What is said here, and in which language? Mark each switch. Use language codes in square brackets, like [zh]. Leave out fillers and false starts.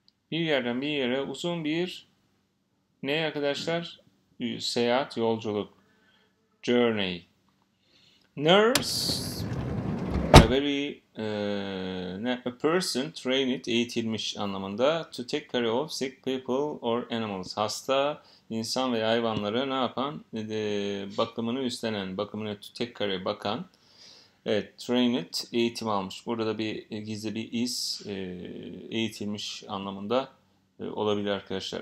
[tr] Bir yerden bir yere uzun bir ne arkadaşlar? Seyahat, yolculuk. [en] Journey. Nurse. A very a person trained, [tr] eğitilmiş anlamında. [en] To take care of sick people or animals. [tr] Hasta, insan ve hayvanlara ne yapan? Bakımını üstlenen, bakımını [en] to take care of, [tr] bakan. Evet, trained, eğitim almış. Burada da bir gizli bir is, eğitilmiş anlamında olabilir arkadaşlar.